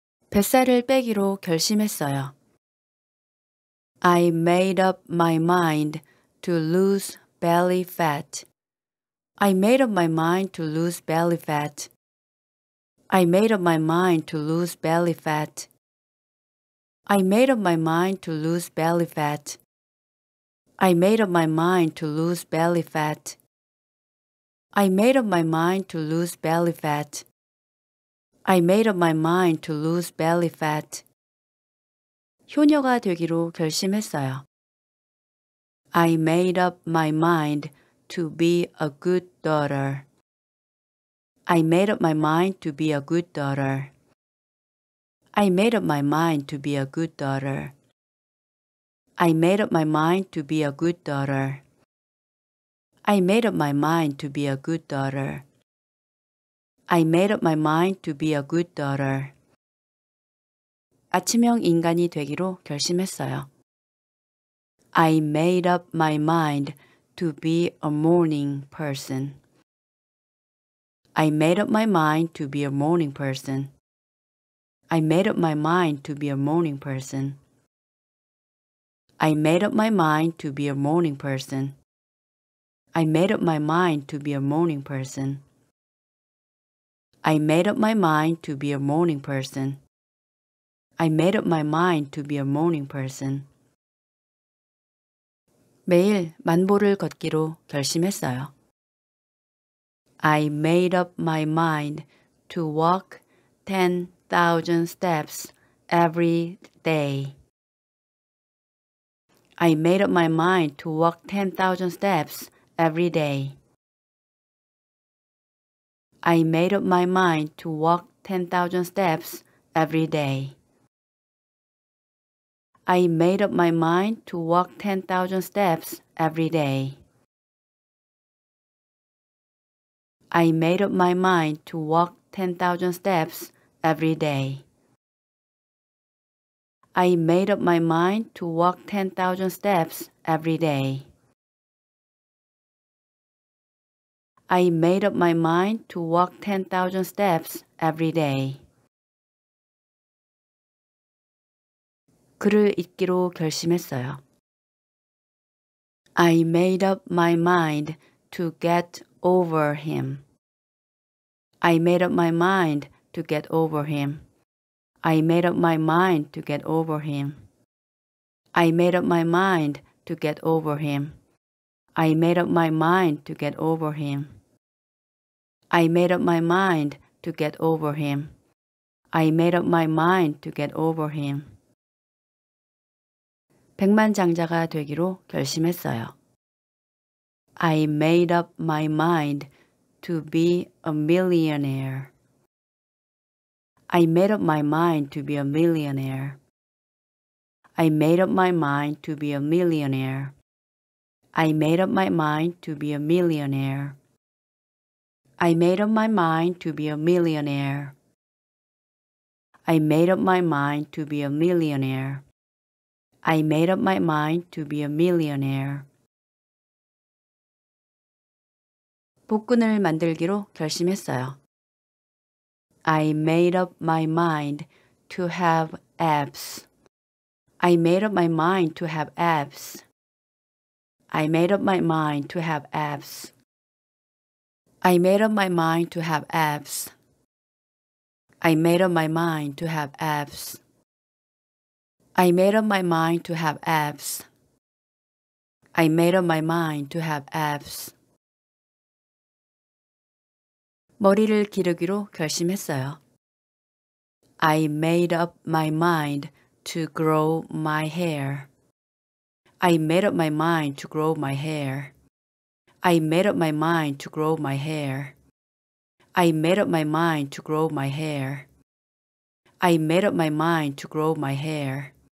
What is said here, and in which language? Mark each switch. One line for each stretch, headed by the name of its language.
Korean: 뱃살을 빼기로 결심했어요.
English: I made up my mind to lose belly fat. I made up my mind to lose belly fat. I made up my mind to lose belly fat. I made up my mind to lose belly fat. I made up my mind to lose belly fat. I made up my mind to lose belly fat. I made up my mind to lose belly fat.
Korean: 효녀가 되기로 결심했어요.
English: I made up my mind to be a good daughter. I made up my mind to be a good daughter. I made up my mind to be a good daughter. I made up my mind to be a good daughter. I made up my mind to be a good daughter. I made up my mind to be a good daughter.
Korean: 아침형 인간이 되기로 결심했어요.
English: I made up my mind to be a morning person. I made up my mind to be a morning person. I made up my mind to be a morning person. I made up my mind to be a morning person. I made up my mind to be a morning person. I made up my mind to be a morning person. I made up my mind to be a morning person.
Korean: 매일 만보를 걷기로 결심했어요.
English: I made up my mind to walk 10,000 steps every day. I made up my mind to walk 10,000 steps every day. I made up my mind to walk 10,000 steps every day. I made up my mind to walk 10,000 steps every day. I made up my mind to walk 10,000 steps every day. I made up my mind to walk 10,000 steps every day. I made up my mind to walk 10,000 steps every day.
Korean: 글을 읽기로 결심했어요.
English: I made up my mind to get over him. I made up my mind to get over him. I made up my mind to get over him. I made up my mind to get over him. I made up my mind to get over him. I made up my mind to get over him. I made up my mind to get over him.
Korean: 백만장자가 되기로 결심했어요.
English: I made up my mind to be a millionaire. I made up my mind to be a millionaire. I made up my mind to be a millionaire. I made up my mind to be a millionaire. I made up my mind to be a millionaire. I made up my mind to be a millionaire. I made up my mind to be a millionaire.
Korean: 복근을 만들기로 결심했어요.
English: I made up my mind to have abs. I made up my mind to have abs. I made up my mind to have abs. I made up my mind to have abs. I made up my mind to have abs. I made up my mind to have abs. I made up my mind to have abs.
Korean: 머리를 기르기로 결심했어요.
English: I made up my mind to grow my hair. I made up my mind to grow my hair. I made up my mind to grow my hair. I made up my mind to grow my hair. I made up my mind to grow my hair.